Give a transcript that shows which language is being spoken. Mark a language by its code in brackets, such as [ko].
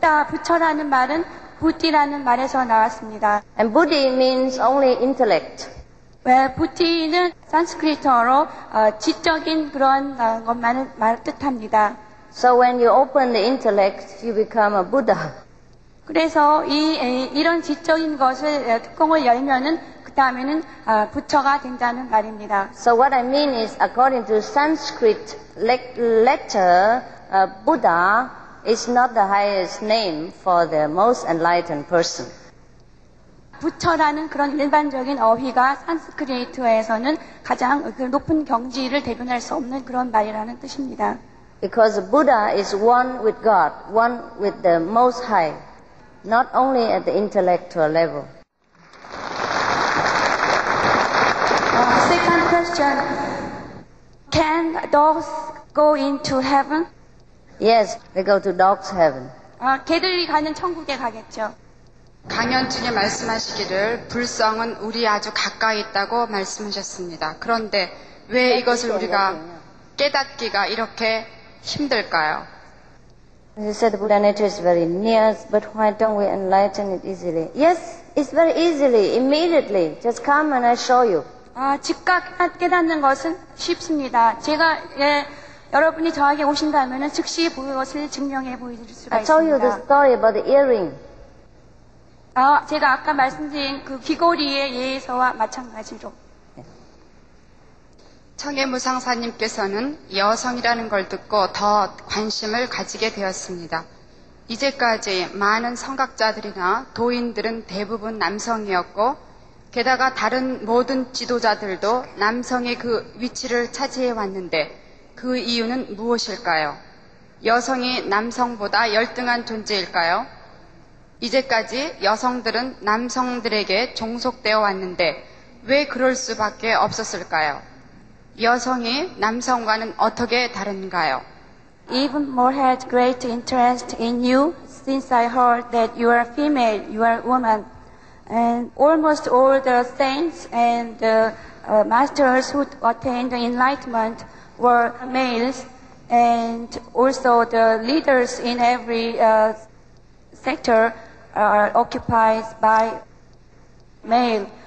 [ko] 부처라는 말은 부디라는 말에서 나왔습니다. [en] And Buddhi means only intellect. [ko] 왜 부디는 산스크리트어로 지적인 그런 것만을 말 뜻합니다. [en] So when you open the intellect, you become a Buddha. [ko] 그래서 이런 지적인 것을 뚜껑을 열면은 그다음에는 부처가 된다는 말입니다. [en] So what I mean is according to Sanskrit letter, Buddha is not the highest name for the most enlightened person. [ko] 부처라는 그런 일반적인 어휘가 산스크리트어에서는 가장 높은 경지를 대변할 수 없는 그런 말이라는 뜻입니다. [en] Because Buddha is one with God, one with the most high, not only at the intellectual level. Second question. Can dogs go into heaven? Yes, they go to dog's heaven. [ko] 개들이 가는 천국에 가겠죠. 강연 중에 말씀하시기를 불성은 우리 아주 가까이 있다고 말씀하셨습니다. 그런데 왜 이것을 우리가 깨닫기가 이렇게 힘들까요? [en] You said Buddha nature is very near, but why don't we enlighten it easily? Yes, it's very easily, immediately. Just come and I show you. [ko] 즉각 깨닫는 것은 쉽습니다. 제가 여러분이 저에게 오신다면 즉시 그것을 증명해 보여 드릴 수가 있습니다. [en] I told you the story about the earring. [ko] 제가 아까 말씀드린 그 귀걸이의 예에서와 마찬가지로 청해무상사님께서는 여성이라는 걸 듣고 더 관심을 가지게 되었습니다. 이제까지 많은 성각자들이나 도인들은 대부분 남성이었고 게다가 다른 모든 지도자들도 남성의 그 위치를 차지해 왔는데 그 이유는 무엇일까요? 여성이 남성보다 열등한 존재일까요? 이제까지 여성들은 남성들에게 종속되어 왔는데 왜 그럴 수밖에 없었을까요? 여성이 남성과는 어떻게 다른가요? [en] Even more had great interest in you since I heard that you are female, you are woman. And almost all the saints and the masters who attained enlightenment were males, and also the leaders in every sector are occupied by male.